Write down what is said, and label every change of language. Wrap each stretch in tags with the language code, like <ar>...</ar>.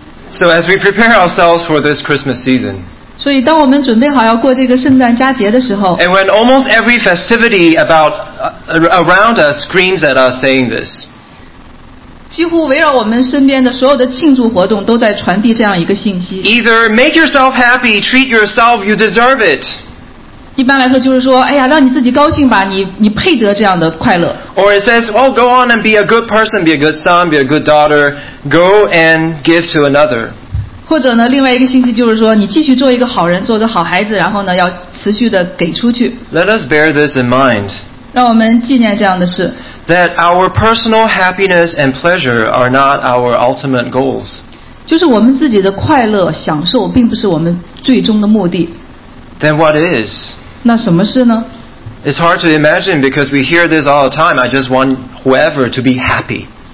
<en>So as we prepare ourselves for this Christmas season,</en> <zh>所以当我们准备好要过这个圣诞佳节的时候</zh> <en>and when almost every festivity about around us screams at us saying this,</en> <zh>几乎围绕我们身边的所有的庆祝活动都在传递这样一个信息</zh> <en>either make yourself happy, treat yourself, you deserve it,</en> <zh>一般来说就是说，哎呀，让你自己高兴吧，你配得这样的快乐。</zh> <en>Or it says, oh, go on and be a good person, be a good son, be a good daughter, go and give to another.</en> <zh>或者呢，另外一个信息就是说，你继续做一个好人，做个好孩子，然后呢，要持续的给出去。</zh> <en>Let us bear this in mind.</en> <zh>让我们纪念这样的事。</zh> <en>That our personal happiness and pleasure are not our ultimate goals.</en> <zh>就是我们自己的快乐享受，并不是我们最终的目的。</zh> <en>Then what is?</en> <zh>那什么是呢?</zh> <en>It's hard to imagine because we hear this all the time. I just want whoever to be happy.</en>